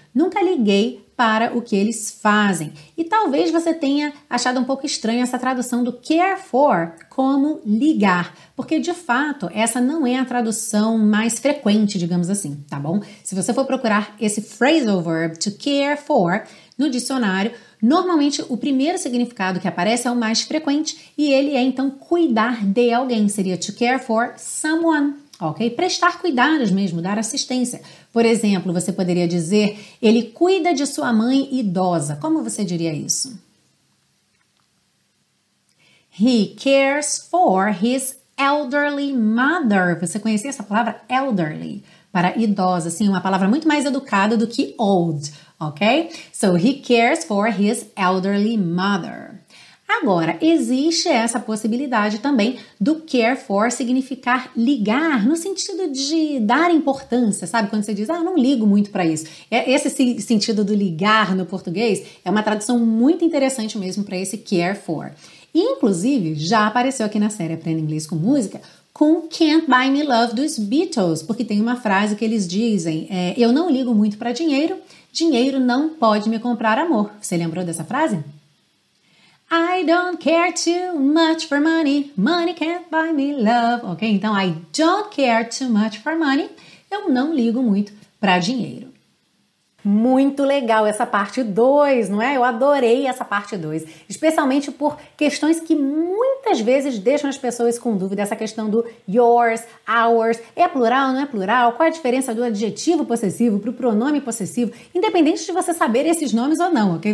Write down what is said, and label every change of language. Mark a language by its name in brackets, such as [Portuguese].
[Portuguese] Nunca liguei para o que eles fazem. E talvez você tenha achado um pouco estranho essa tradução do care for como ligar. Porque, de fato, essa não é a tradução mais frequente, digamos assim, tá bom? Se você for procurar esse phrasal verb, to care for, no dicionário, normalmente o primeiro significado que aparece é o mais frequente e ele é, então, cuidar de alguém. Seria [English] to care for someone, ok? [Portuguese] Prestar cuidados mesmo, dar assistência. Por exemplo, você poderia dizer, ele cuida de sua mãe idosa. Como você diria isso? [English] He cares for his elderly mother. [Portuguese] Você conhecia essa palavra elderly para idosa? Sim, uma palavra muito mais educada do que old, ok? [English] So, he cares for his elderly mother. [Portuguese] Agora, existe essa possibilidade também do care for significar ligar, no sentido de dar importância, sabe? Quando você diz, ah, não ligo muito para isso. Esse sentido do ligar no português é uma tradução muito interessante mesmo para esse care for. Inclusive, já apareceu aqui na série Aprenda Inglês com Música com Can't Buy Me Love dos Beatles, porque tem uma frase que eles dizem, eu não ligo muito para dinheiro, dinheiro não pode me comprar amor. Você lembrou dessa frase? [English] I don't care too much for money, money can't buy me love, ok? [Portuguese] Então, [English] I don't care too much for money, [Portuguese] eu não ligo muito para dinheiro. Muito legal essa parte 2, não é? Eu adorei essa parte 2, especialmente por questões que muitas vezes deixam as pessoas com dúvida, essa questão do yours, ours, é plural, não é plural, qual a diferença do adjetivo possessivo para o pronome possessivo, independente de você saber esses nomes ou não, ok?